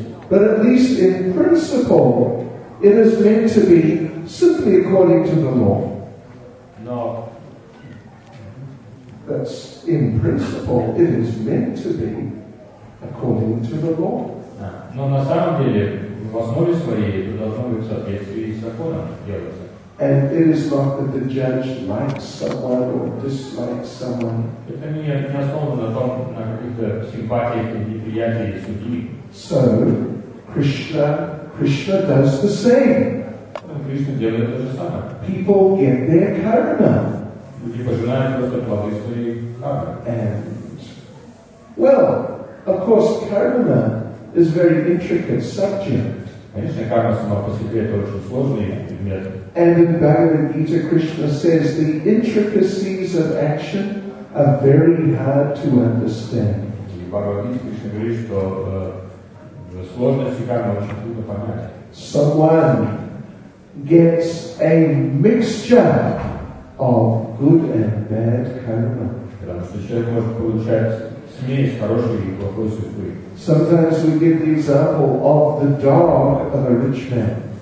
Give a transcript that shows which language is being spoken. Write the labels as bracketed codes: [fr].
[en] But at least in principle, it is meant to be simply according to the law. No. That's in principle, it is meant to be according to the law. [ru] Но на самом деле, в основе своей, это должно быть в соответствии с законом делаться. [en] And it is not that the judge likes someone or dislikes someone. [ru] Это не основано на том, на каких-то симпатиях или неприятиях судьи. [en] So, Krishna does the same. [ru] Krishna делает то же самое. [en] People get their karma. [ru] Люди пожинают просто плоды своей кармы. [en] And, well, of course, karma is a very intricate subject. [ru] Конечно, карма сама по себе это очень сложный предмет. [en] And in Bhagavad Gita, Krishna says the intricacies of action are very hard to understand. [ru] И Бхагавад Гита Кришна говорит, что сложности кармы очень трудно понять. [en] Someone gets a mixture of good and bad karma. [ru] Потому что человек может получать смесь хорошей и плохой судьбы. [en] Sometimes we give the example of the dog of a rich man.